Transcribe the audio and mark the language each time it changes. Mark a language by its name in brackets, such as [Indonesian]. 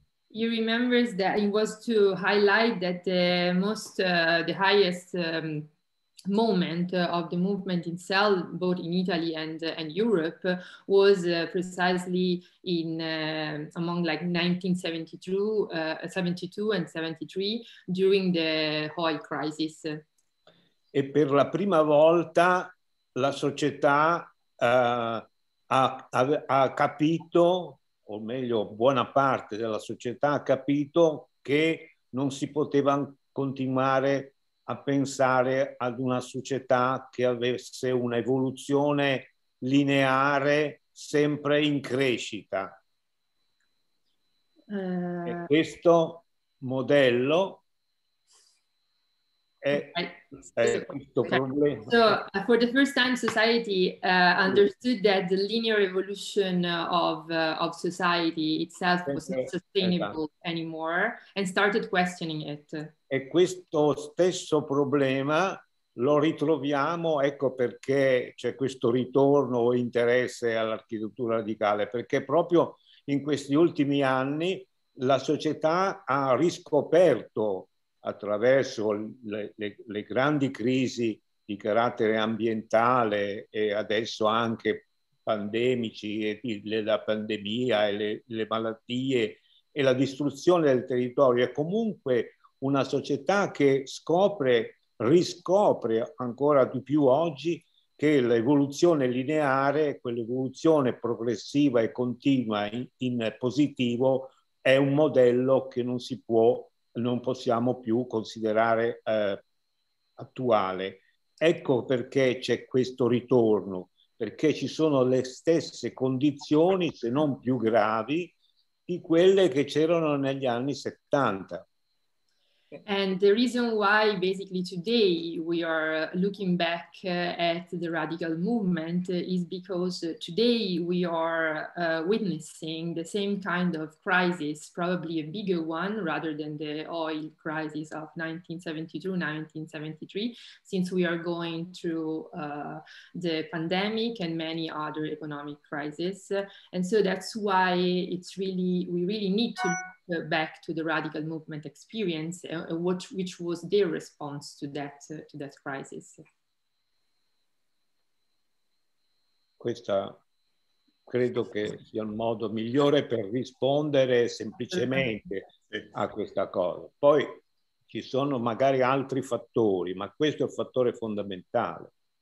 [English] He remembers that it was to highlight that the highest moment of the movement itself, both in Italy and Europe, was precisely in among like 1972 and 73 during the oil crisis. [Italian] E per la prima volta la società ha capito, o meglio buona parte della società ha capito, che non si poteva continuare a pensare ad una società che avesse un'evoluzione lineare sempre in crescita. E questo modello è questo problema. [English] So, for the first time, society understood that the linear evolution of society itself was not sustainable anymore and started questioning it. [Italian] E questo stesso problema lo ritroviamo, ecco perché c'è questo ritorno o interesse all'architettura radicale, perché proprio in questi ultimi anni la società ha riscoperto attraverso le grandi crisi di carattere ambientale e adesso anche pandemici, la pandemia e le malattie e la distruzione del territorio, è comunque una società che scopre, riscopre ancora di più oggi che l'evoluzione lineare, quell'evoluzione progressiva e continua in positivo, è un modello che non possiamo più considerare attuale. Ecco perché c'è questo ritorno, perché ci sono le stesse condizioni, se non più gravi, di quelle che c'erano negli anni 70. [English] And the reason why basically today we are looking back at the radical movement is because today we are witnessing the same kind of crisis, probably a bigger one rather than the oil crisis of 1972-1973, since we are going through the pandemic and many other economic crises. And so that's why we really need to back to the radical movement experience, which was their response to that crisis. [Italian] Questa credo che sia il modo migliore per rispondere semplicemente a questa cosa. Poi ci sono magari altri fattori, ma questo è un fattore fondamentale.